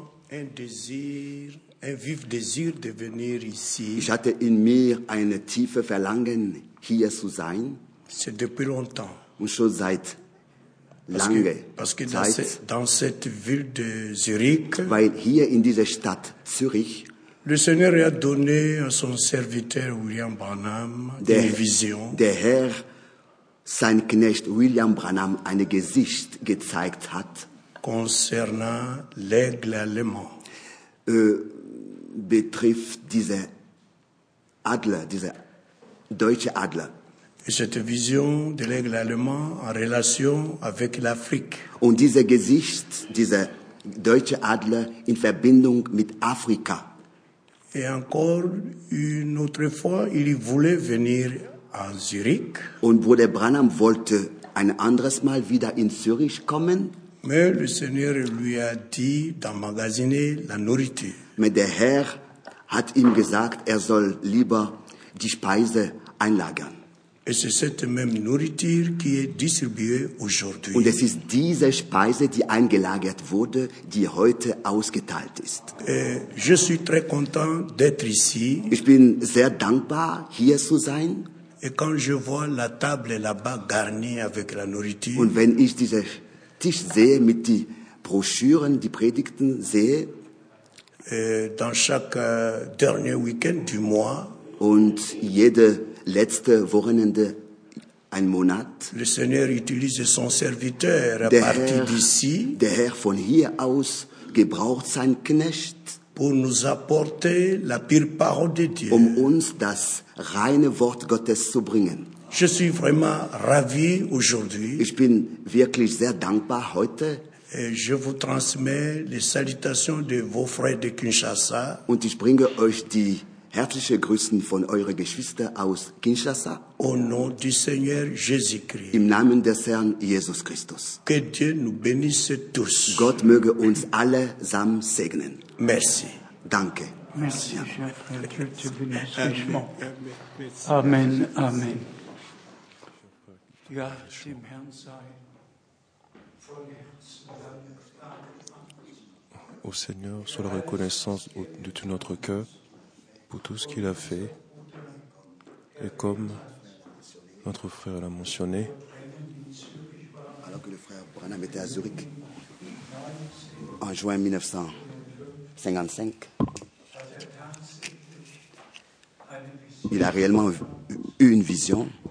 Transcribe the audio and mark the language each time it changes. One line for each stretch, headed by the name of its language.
French: Un vif désir de venir ici.
German: Ich hatte in mir ein tiefes Verlangen, hier zu sein.
French: C'est depuis longtemps.
German: Und schon seit lange.
French: Dans cette ville de Zurich.
German: Weil hier in dieser Stadt Zürich.
French: Le Seigneur a donné à son serviteur William Branham une vision.
German: Der Herr sein Knecht William Branham ein Gesicht gezeigt hat.
French: Concernant l'aigle allemand.
German: Betrifft dieser Adler, dieser deutsche Adler.
French: Et cette vision de l'aigle allemand en relation avec l'Afrique.
German: Und dieses Gesicht, dieser deutsche Adler in Verbindung mit Afrika.
French: Et encore une autre fois, il voulait venir à Zurich.
German: Und Bruder Branham wollte ein anderes Mal wieder in Zürich kommen.
French: Mais le Seigneur lui a dit d'emmagasiner la nourriture. Mais
German: der Herr hat ihm gesagt, soll lieber die Speise einlagern.
French: Et c'est cette même nourriture qui est distribuée aujourd'hui.
German: Und es ist diese Speise, die eingelagert wurde, die heute ausgeteilt ist.
French: Je suis très content d'être ici.
German: Ich bin sehr dankbar, hier zu sein.
French: Et quand je vois la table là-bas garnie avec la nourriture.
German: Und wenn ich diese Tisch sehe, mit die Broschüren, die Predigten sehe.
French: Dans chaque dernier weekend du mois.
German: Und jede letzte Wochenende ein Monat.
French: Le Seigneur utilise son serviteur à partir d'ici.
German: Der Herr von hier aus gebraucht sein Knecht.
French: Pour nous apporter la pure parole de Dieu.
German: Um uns das reine Wort Gottes zu bringen.
French: Je suis vraiment ravi aujourd'hui.
German: Ich bin wirklich sehr dankbar heute.
French: Et je vous transmets les salutations de vos frères de Kinshasa.
German: Und ich bringe euch die herzliche Grüße von eure Geschwister aus Kinshasa.
French: Au nom du Seigneur Jésus-Christ.
German: Im Namen des Herrn Jesus Christus.
French: Que Dieu nous bénisse tous.
German: Gott möge uns allesamt segnen.
French: Merci.
German: Danke.
French: Merci, cher frère. Dieu te bénisse richement. Amen. Amen.
German: Ja, dem Herrn sei von Herzen dank.
French: Au Seigneur, soit la reconnaissance de tout notre cœur pour tout ce qu'il a fait. Et comme notre frère l'a mentionné, alors que le frère Branham était à Zurich en juin 1955, il a réellement eu une vision.